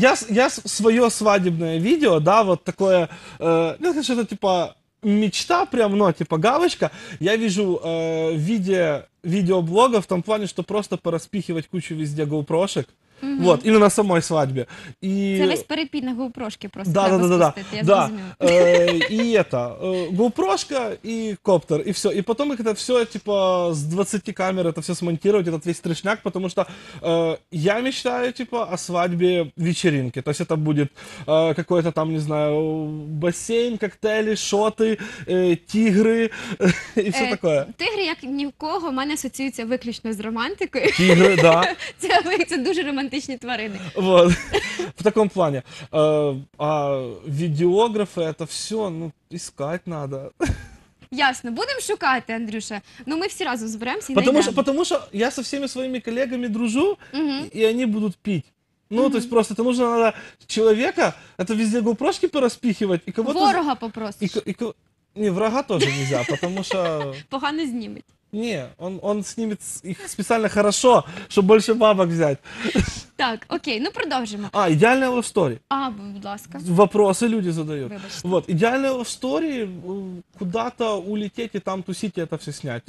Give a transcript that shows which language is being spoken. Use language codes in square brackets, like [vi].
[ru] Я своє свадебне відео, да, вот такое, знаешь, это типа мечта прямо, ну, типа галочка. Я вижу в виде видеоблога в том плане, что просто пораспихивать кучу везде GoPro-шек. Угу. Вот, именно на самой свадьбе. [uk] И Це весь перепій на GoPro-шки просто. [ru] Да, да, да, да. Да. И это, GoPro-шка и коптер и всё. И потом их это всё типа с 20 камер это всё смонтировать, этот весь трешняк, потому что я мечтаю типа о свадьбе вечеринке. То есть это будет какой-то там, не знаю, бассейн, коктейли, шоты, тигры и всё такое. [uk] Тигри, як ні в кого, у мене асоціюється виключно з романтикою. Тигри, да. Це дуже романтичні тварини. [ru] Вот. В таком плане. А відеографи, это все, ну, искать надо. [uk] Ясно. Будем шукати, Андрюша. [ru] Ну, мы все разом зберемся и найдем. Потому что я со всеми своими коллегами дружу, и они будут пить. Ну, то есть просто это нужно надо человека, это везде GoPro-шки пораспихивать. И кого-то... [uk] Ворога попросишь. [ru] Не, врага тоже нельзя, потому что... Погано снимет. [uk] Ні, он снімет їх спеціально хорошо, щоб більше бабок взяти. Так, окей, ну продовжимо. А, ідеальна love story. А, будь ласка. Вопроси люди задають. Вибачте. [ru] Вот, ідеальна love story, куда-то улететь і там тусити, это все снять.